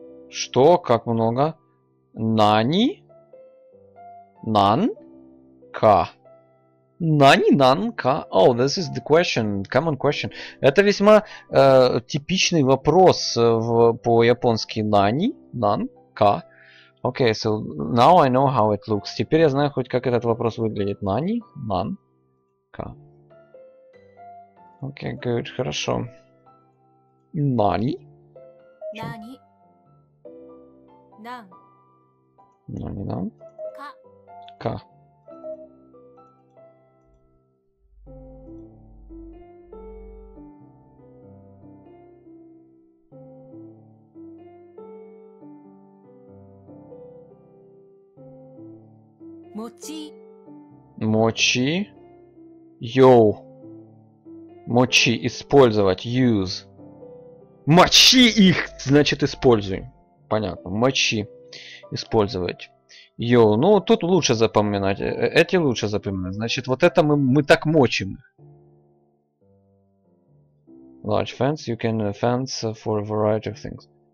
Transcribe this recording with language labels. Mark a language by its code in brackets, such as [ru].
[ru] Что? Как много? [ja] Нани? Нан? Ка. Нани? Нан? Ка? [en] Oh, this is the question. Common question. [ru] Это весьма типичный вопрос по-японски. [ja] Нани? Нан? Ка? [en] Okay, so now I know how it looks. [ru] Теперь я знаю хоть как этот вопрос выглядит. [ja] Нани? Нан? Ка? [ru] Окей, [en] okay, good, [ru] хорошо. [ja] Нани? Нани? Нан? Нани, нан? Ка? Ка. Мочи? Мочи? Йоу. Мочи. [ru] Использовать. [en] Use. [ru] Мочи их! Значит, используем. Понятно. Мочи. использовать. Йо, ну тут лучше запоминать. Эти лучше запоминать. Значит, вот это мы так мочим. [en] Large fence, you can fence for a variety of things.